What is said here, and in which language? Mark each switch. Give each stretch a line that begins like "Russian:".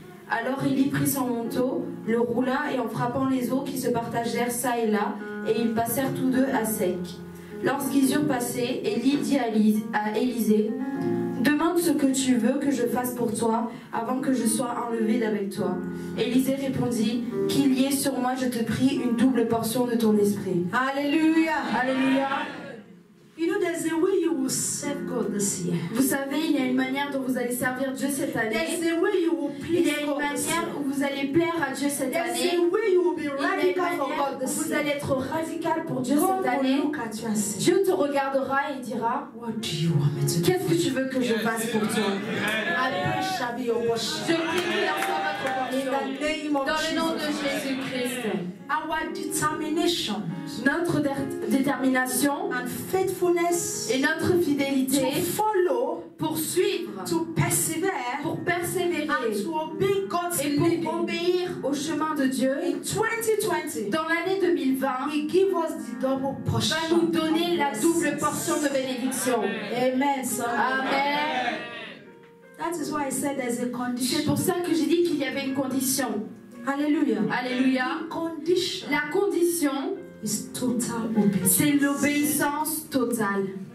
French: Alors Élie prit son manteau, le roula et en frappant les eaux qui se partagèrent çà et là, et ils passèrent tous deux à sec. Lorsqu'ils eurent passé, Élie dit à Élisée, demande ce que tu veux que je fasse pour toi avant que je sois enlevé d'avec toi. Élisée répondit, qu'il y ait sur moi, je te prie, une double portion de ton esprit. Alléluia! Alléluia!
English: You know, there's a way you will serve God this year.
French: Vous savez, il y a une manière dont vous allez servir Dieu cette année.
English: There's a way you will please
French: Il y a une manière où vous allez plaire à Dieu cette
English: there's
French: année.
English: There's a way you will be radical for God this year.
French: Vous allez être radical pour Dieu
English: God
French: cette année.
English: Will look at you and say,
French: Dieu te regardera et dira,
English: what do you want me to do?
French: Qu'est-ce que tu veux que je fasse pour toi?
English: I pray shall be your worship.
French: Je prie que l'on soit votre portion. Dans le nom de Jésus-Christ.
English: Our determination,
French: notre détermination,
English: and faithfulness,
French: et notre fidélité,
English: to follow,
French: pour suivre,
English: to persevere,
French: pour persévérer,
English: and to obey God's
French: et pour obéir au chemin de Dieu.
English: In 2020,
French: dans l'année 2020,
English: He give us the double portion,
French: va nous donner la double portion de bénédiction.
English: Amen.
French: Amen.
English: That is why I said there's a condition.
French: C'est pour ça que j'ai dit qu'il y avait une condition.
English: Alléluia.
French: Alléluia. La condition
English: is total obedience.
French: C'est l'obéissance totale.